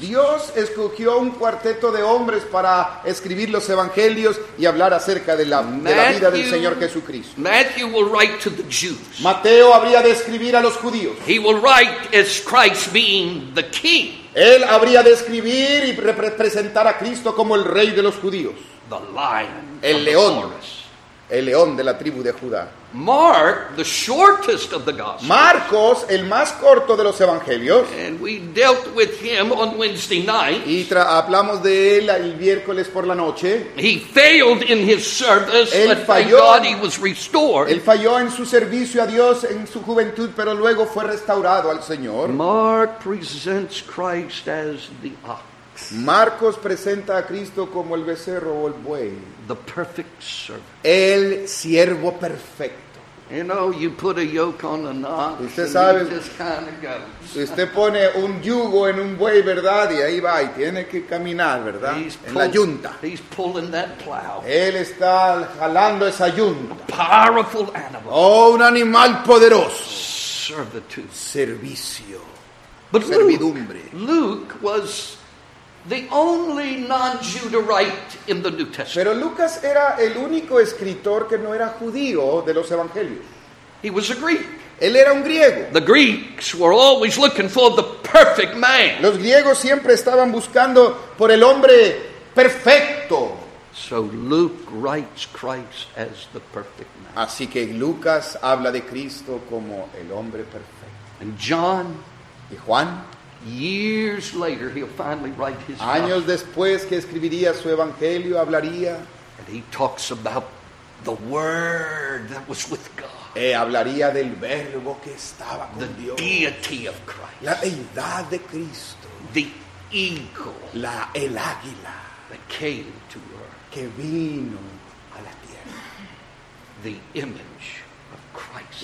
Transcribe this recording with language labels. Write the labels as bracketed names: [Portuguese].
[Spanish] Dios escogió un cuarteto de hombres para escribir los evangelios y hablar acerca de la vida del Señor Jesucristo. [English] Matthew will write to the Jews. [Spanish] Mateo habría de escribir a los judíos. [English] He will write as Christ being the king. [Spanish] Él habría de escribir y representar a Cristo como el rey de los judíos. [English] The lion. [Spanish] El león. [English] Forest. [Spanish] El león de la tribu de Judá. [English] Mark, the shortest of the gospels. [Spanish] Marcos, el más corto de los evangelios. [English] And we dealt with him on Wednesday night. [Spanish] Y hablamos de él el miércoles por la noche. [English] He failed in his service, [Spanish] él [English] but [Spanish] falló, [English] thank God he was restored. [Spanish] Él falló en su servicio a Dios en su juventud, pero luego fue restaurado al Señor. [English] Mark presents Christ as the ox. [Spanish] Marcos presenta a Cristo como el becerro o el buey. [English] The perfect servant. [Spanish] El siervo perfecto. [English] You know, you put a yoke on the ox. [Spanish] Usted sabe, [English] and it just kind of goes. [Spanish] Usted pone un yugo en un buey, ¿verdad? Y ahí va y tiene que caminar, ¿verdad? En la yunta. [English] He's pulling that plow. [Spanish] Él está jalando esa yunta. [English] A powerful animal. [Spanish] Oh, un animal poderoso. [English] Servitude. [Spanish] Servicio. [English] But [Spanish] servidumbre. [English] Luke was the only non-Jew to write in the New Testament. [Spanish] Pero Lucas era el único escritor que no era judío de los evangelios. [English] He was a Greek. [Spanish] Él era un griego. [English] The Greeks were always looking for the perfect man. [Spanish] Los griegos siempre estaban buscando por el hombre perfecto. [English] So Luke writes Christ as the perfect man. [Spanish] Así que Lucas habla de Cristo como el hombre perfecto. [English] And John, [Spanish] y Juan, [English] years later, he'll finally write his. [Spanish] Años después que escribiría su evangelio, hablaría. [English] And he talks about the Word that was with God. [Spanish] Hablaría del verbo que estaba con [English] the [Spanish] Dios. [English] The deity of Christ. [Spanish] La deidad de Cristo. [English] The eagle. [Spanish] La el águila. [English] That came to earth. [Spanish] Que vino a la tierra. [English] The image of Christ.